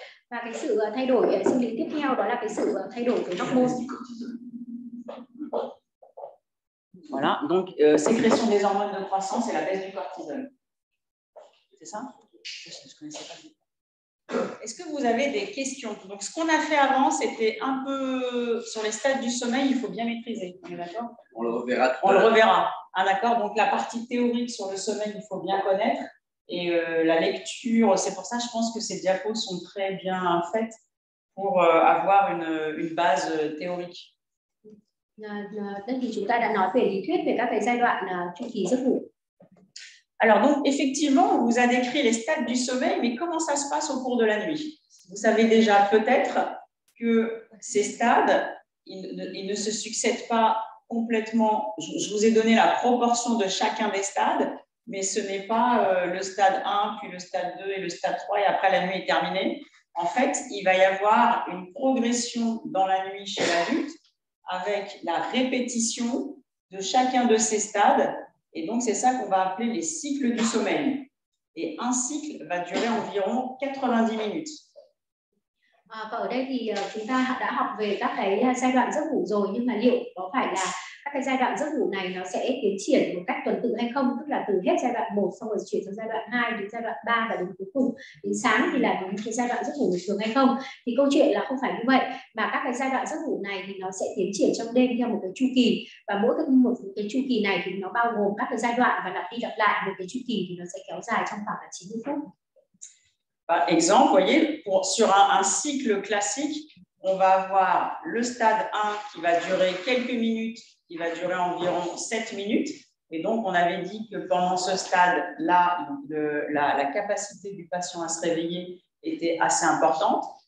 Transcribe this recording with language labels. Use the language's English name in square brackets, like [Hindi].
[Vietnamese] Và cái sự thay đổi sinh lý tiếp theo đó là cái sự thay đổi của hormone. [French] Voilà, donc sécrétion des hormones de croissance et la baisse du cortisol. C'est ça? Je connaissais pas. Est-ce que vous avez des questions? Donc ce qu'on a fait avant, c'était un peu sur les stades du sommeil, il faut bien maîtriser. On est d'accord? On le reverra. On le reverra. Ah, d'accord, donc la partie théorique sur le sommeil, il faut bien connaître. Et la lecture, c'est pour ça je pense que ces diapos sont très bien faites pour avoir une base théorique. [Vietnamese] Donc, chúng ta đã nói về lý thuyết về các cái giai đoạn chu kỳ giấc ngủ. [French] Alors donc effectivement, on vous a décrit les stades du sommeil, mais comment ça se passe au cours de la nuit? Vous savez déjà peut-être que ces stades, ils ne se succèdent pas complètement. Je vous ai donné la proportion de chacun des stades. Mais ce n'est pas le stade 1, puis le stade 2 et le stade 3, et après la nuit est terminée. En fait, il va y avoir une progression dans la nuit chez l'adulte avec la répétition de chacun de ces stades. Et donc, c'est ça qu'on va appeler les cycles du sommeil. Et un cycle va durer environ 90 minutes. [Vietnamese] Và ở đây thì chúng ta đã học về các cái giai đoạn giấc ngủ rồi, nhưng mà liệu có phải là các cái giai đoạn giấc ngủ này nó sẽ tiến triển một cách tuần tự hay không, tức là từ hết giai đoạn 1 xong rồi chuyển sang giai đoạn 2 đến giai đoạn 3 và đến cuối cùng đến sáng thì là những cái giai đoạn giấc ngủ bình thường hay không, thì câu chuyện là không phải như vậy, mà các cái giai đoạn giấc ngủ này thì nó sẽ tiến triển trong đêm theo một cái chu kỳ, và mỗi một cái chu kỳ này thì nó bao gồm các cái giai đoạn và lặp đi lặp lại một cái chu kỳ, thì nó sẽ kéo dài trong khoảng là 90 phút. [French] Par exemple, voyez, sur un cycle classique, on va avoir le stade 1 qui va durer quelques minutes, qui va durer environ 7 minutes. Et donc, on avait dit que pendant ce stade-là, la capacité du patient à se réveiller était assez importante.